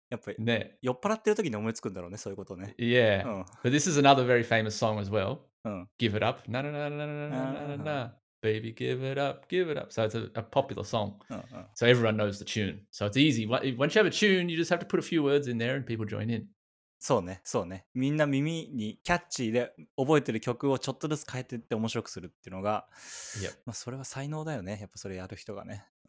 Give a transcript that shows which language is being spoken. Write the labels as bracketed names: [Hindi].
[Japanese] やっぱり、ね、酔っ払ってる時に思いつくんだろうね、そういうことね。 [English] Yeah, but this is another very famous song as well. Give it up, na na na na na na na na na, baby, give it up, give it up. So it's a popular song. So everyone knows the tune. So it's easy. Once you have a tune, you just have to put a few words in there and people join in. [Japanese] そうね、そうね。みんな耳にキャッチーで覚えてる曲をちょっとずつ変えてって面白くするっていうのが、まあそれは才能だよね。やっぱそれやる人がね。